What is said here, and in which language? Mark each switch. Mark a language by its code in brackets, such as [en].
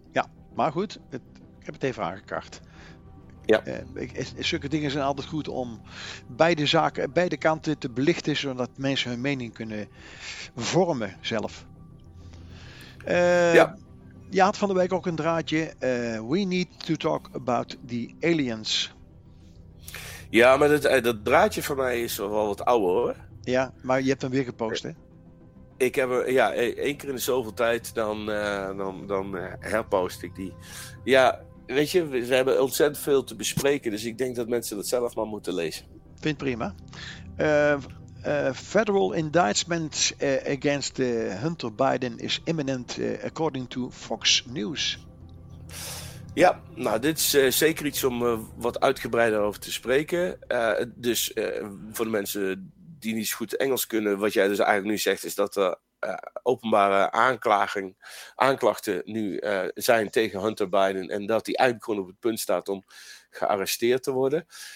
[nl] Ja, maar goed, ik heb het even aangekaart. Ja. Zulke dingen zijn altijd goed om beide zaken, beide kanten te belichten, zodat mensen hun mening kunnen vormen zelf. Je had van de week ook een draadje. [en] We need to talk about the aliens. [nl] Ja, maar dat draadje van mij is wel wat ouder, hoor. Ja, maar je hebt hem weer gepost, hè? Ik heb hem, één keer in de zoveel tijd, dan herpost ik die. Ja, weet je, we hebben ontzettend veel te bespreken, dus ik denk dat mensen dat zelf maar moeten lezen. Vind prima. [en] Federal indictment against Hunter Biden is imminent, according to Fox News. [nl] Ja, nou, dit is zeker iets om wat uitgebreider over te spreken. Dus voor de mensen die niet zo goed Engels kunnen, wat jij dus eigenlijk nu zegt, is dat er openbare aanklachten nu zijn tegen Hunter Biden en dat hij eigenlijk gewoon op het punt staat om gearresteerd te worden.